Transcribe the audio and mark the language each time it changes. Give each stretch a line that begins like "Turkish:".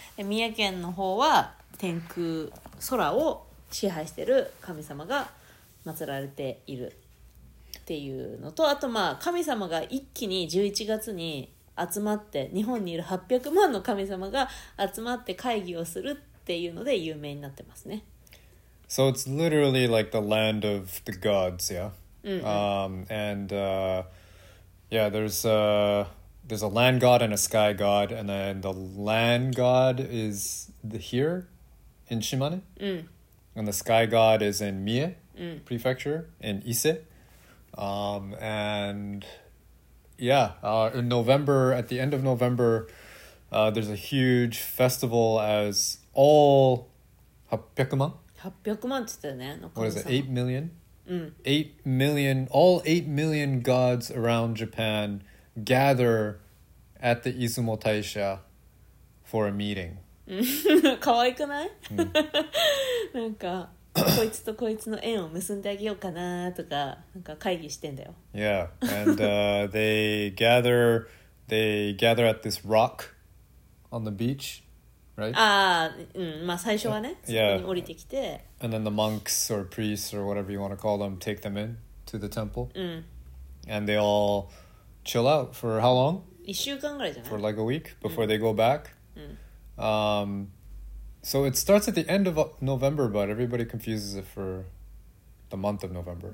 Japanese: で三重県の方は天空空を支配している神様が祀られているっていうのと、あとまあ神様が一気に11月に集まって、日本にいる800万の神様が集まって会議をするっていうので有名になってますね。
English: So it's literally like the land of the gods, yeah? Mm-hmm. Yeah, there's a land god and a sky god, and then the land god is here in Shimane, and the sky god is in Mie Prefecture, in Ise. And Yeah, in November, at the end of November, there's a huge festival as all 800万?
Japanese: 800万 って言ったよね、
English: What is it, 8 million?
Japanese: うん。
English: 8 million, all 8 million gods around Japan gather at the Izumo Taisha for a meeting.
Japanese: かわいくない?なんか...
English: Yeah, and they gather at this rock on the beach, right?
Japanese: まあ最初はね、そこに降りてきて。
English: And then the monks or priests or whatever you want to call them take them in to the temple. And they all chill out for how long?
Japanese: 1週間ぐらいじゃない?
English: For like a week before they go back. So it starts at the end of November, but everybody confuses it for the month of November.